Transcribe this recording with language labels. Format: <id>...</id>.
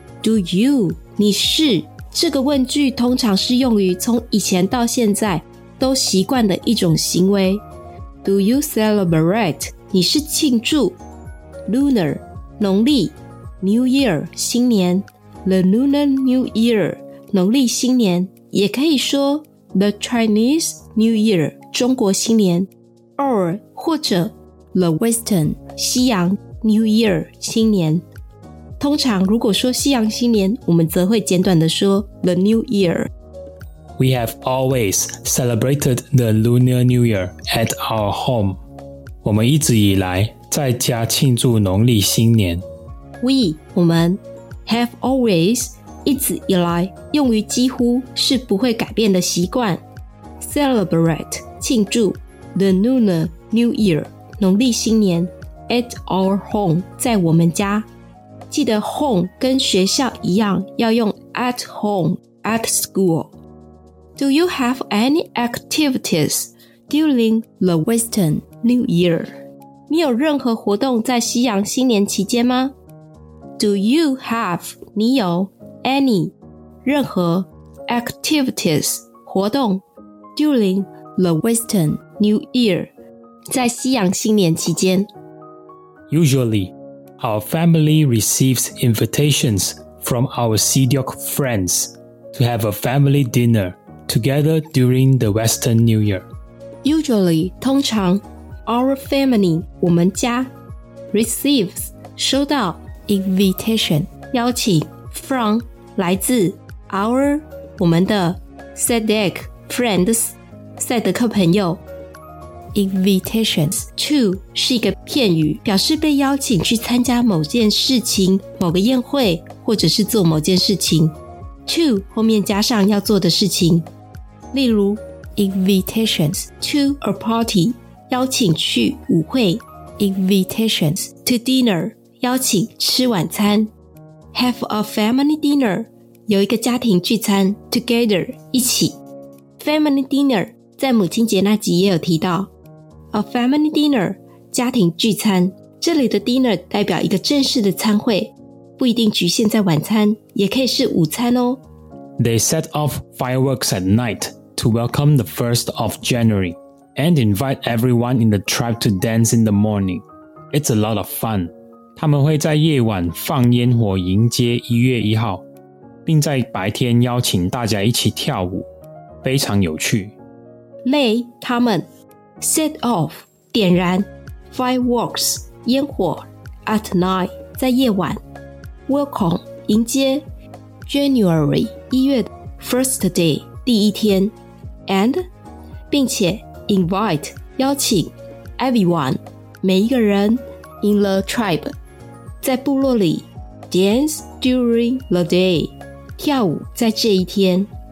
<en>Do you,</en> <zh>你是，这个问句通常是用于从以前到现在都习惯的一种行为。</zh> <en>Do you celebrate,</en> <zh>你是庆祝。</zh> <en>Lunar,</en> <zh>农历。</zh> <en>New Year, 新年。The Lunar New Year,</en> <zh>农历新年。也可以说</zh> <en>The Chinese New Year,</en> <zh>中国新年。</zh> <en>Or,</en> <zh>或者</zh> <en>The Western,</en> <zh>西洋</zh> <en>New Year, 新年。</en> <zh>通常如果说西洋新年，我们则会简短地说</zh> <en>The New Year. We have always celebrated the Lunar New Year at our home.</en> <zh>我们一直以来在家庆祝农历新年。我们</zh> <en>have always</en> <zh>一直以来用于几乎是不会改变的习惯。</zh> <en>Celebrate 庆祝 The Lunar New Year 农历新年 at our home</en> <zh>在我们家。记得 home 跟学校一样，要用</zh> <en>at home, at school. Do you have any activities during the Western New Year?</en> <zh>你有任何活动在西洋新年期间吗？</zh> <en>Do you have, 你有 any, 任何 activities, 活动 during the Western New Year,</en> <zh>在西洋新年期间。</zh> <en>Usually,Our family receives invitations from our Sidyok friends to have a family dinner together during the Western New Year. Usually, 通常 our family, 我们家 receives, 收到 invitation, 邀请 from, 来自 our, 我们的 Sidyok friends,</en> <zh>赛德克朋友Invitations to 是一个片语，表示被邀请去参加某件事情、某个宴会，或者是做某件事情。 To 后面加上要做的事情，例如</zh> <en>Invitations to a party</en> <zh>邀请去舞会</zh> <en>Invitations to dinner</en> <zh>邀请吃晚餐</zh> <en>Have a family dinner</en> <zh>有一个家庭聚餐 Together 一起 Family dinner 在母亲节那集也有提到</zh> <en>A family dinner,</en> <zh>家庭聚餐。这里的 dinner 代表一个正式的餐会，不一定局限在晚餐，也可以是午餐哦。</zh> <en>They set off fireworks at night to welcome the 1st of January and invite everyone in the tribe to dance in the morning. It's a lot of fun.</en> <zh>他们会在夜晚放烟火迎接1月1号，并在白天邀请大家一起跳舞，非常有趣。他们</zh> <en>Set off, 点燃 fireworks, 烟火 at night, 在夜晚 welcome, 迎接 January, 1月 First Day 第一天 And 并且 Invite 邀请 Everyone 每一个人 In the tribe</en> <zh>在部落里</zh> <en>Dance during the day 跳舞在这一天</en>